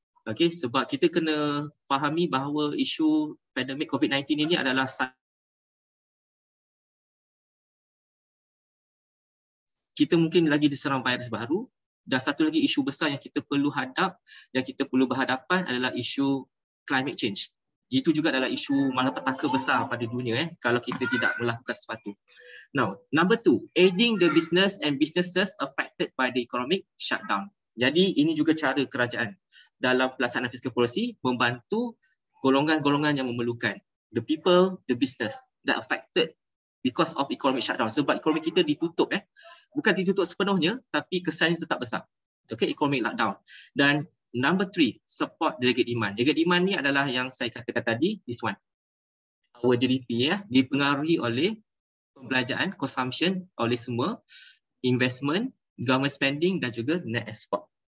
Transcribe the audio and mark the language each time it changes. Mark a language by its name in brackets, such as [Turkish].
[Malay] Okay, sebab kita kena fahami bahawa isu pandemik COVID-19 ini adalah kita mungkin lagi diserang virus baru, dan satu lagi isu besar yang kita perlu hadap dan kita perlu berhadapan adalah isu climate change. Itu juga adalah isu malapetaka besar pada dunia kalau kita tidak melakukan sesuatu. [English] Now, number two, aiding the business and businesses affected by the economic shutdown. [Malay] Jadi ini juga cara kerajaan dalam pelaksanaan fiscal policy membantu golongan-golongan yang memerlukan. [English] The people, the business that affected because of economic shutdown. [Malay] Sebab ekonomi kita ditutup. Bukan ditutup sepenuhnya tapi kesannya tetap besar. [English] Okay, economic lockdown. Dan number three, support delegate demand. [Malay] Delegate demand ni adalah yang saya katakan tadi, [English] this one. [Malay] Our GDP dipengaruhi oleh pembelanjaan, consumption oleh semua, investment, government spending dan juga net export.